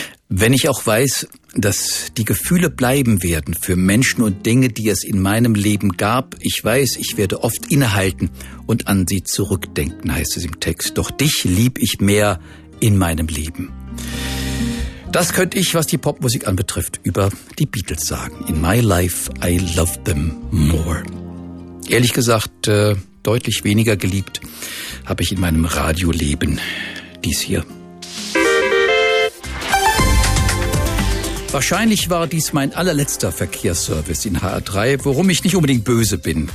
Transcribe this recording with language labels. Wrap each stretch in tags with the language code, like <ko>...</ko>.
<de>Wenn ich auch weiß, dass die Gefühle bleiben werden für Menschen und Dinge, die es in meinem Leben gab, ich weiß, ich werde oft innehalten und an sie zurückdenken, heißt es im Text. Doch dich lieb ich mehr in meinem Leben. Das könnte ich, was die Popmusik anbetrifft, über die Beatles sagen.</de> <en>In my life, I love them more.</en> <de>Ehrlich gesagt, deutlich weniger geliebt habe ich in meinem Radioleben dies hier. Wahrscheinlich war dies mein allerletzter Verkehrsservice in HR3, worum ich nicht unbedingt böse bin.</de>